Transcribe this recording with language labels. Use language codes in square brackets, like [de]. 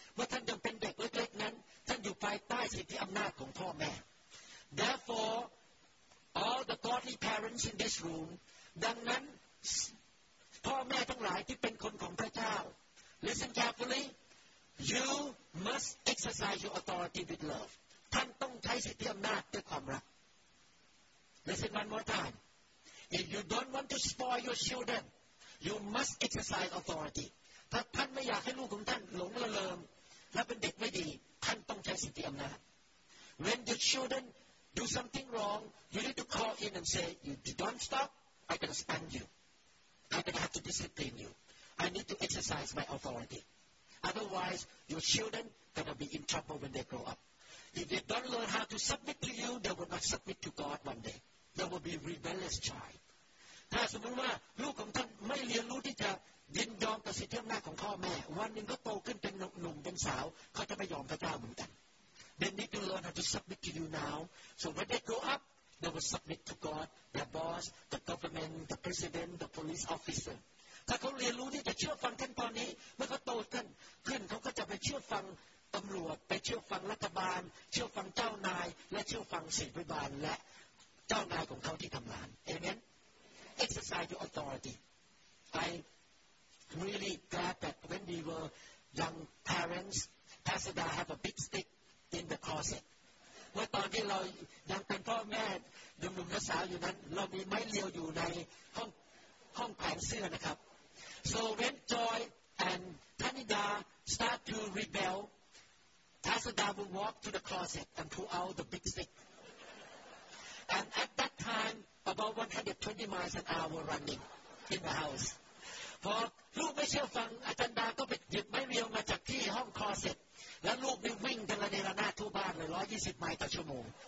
[th] เมื่อท่านยังเป็นเด็กเล็กๆนั้นท่านอยู่ภายใต้สิทธิอำนาจของพ่อแม่ [en] Therefore, all the godly parents in this room, [th] ดังนั้นพ่อแม่ทั้งหลายที่เป็นคนของพระเจ้า [en] listen carefully, you must exercise your authority with love. [th] ท่านต้องใช้สิทธิอำนาจด้วยความรัก [en] listen one more time. If you don't want to spoil your children, you must exercise authority. [th] ถ้าท่านไม่อยากให้ลูกของท่านหลงระเริงและเป็นเด็กไม่ดีท่านต้องใช้สิทธิอำนาจ [en] when the childrenDo something wrong, you need to call in and say, "You don't stop, I can spank you. I can have to discipline you. I need to exercise my authority. Otherwise, your children gonna be in trouble when they grow up. If they don't learn how to submit to you, they will not submit to God one day. They will be a rebellious child." [th] ถ้าสมมติว่าลูกของท่านไม่เรียนรู้ที่จะยินยอมต่อสิทธิอำนาจของพ่อแม่วันหนึ่งเขาโตขึ้นเป็นหนุ่มเป็นสาวเขาจะไม่ยอมพระเจ้าเหมือนกัน [en] They need to learn how to submit to you now. So when they grow up, they will submit to God, their boss, the government, the president, the police officer. [th] ถ้าเขาเรียนรู้ที่จะเชื่อฟังท่านตอนนี้เมื่อเขาโตขึ้นเขาก็จะไปเชื่อฟังตำรวจไปเชื่อฟังรัฐบาลเชื่อฟังเจ้านายและเชื่อฟังศิษย์บาลและเจ้านายของเขาที่ทำงาน Amen. [en] Exercise your authority. I really glad that when we were young parents, Pastor Da have a big stick. In the closet. [th] เมื่อตอนที่เรายังเป็นพ่อแม่ยังหนุ่มสาวอยู่นั้นเรามีไม้เรียวอยู่ในห้องแขวนเสื้อนะครับ [en] So when Joy and Tanida start to rebel, Tasada will walk to the closet and pull out the big stick. And at that time, about 120 miles an hour running in the house. [th] พอลูกไม่เชื่อฟังอาจารย์ดาก็ไปหยิบไม้เรียวมาจากที่ห้องคลอสเซ็ตแล้วลูกไปวิ่งกันระเนระนาดทั่วบ้านเลย120ไมล์ต่อชั่วโมง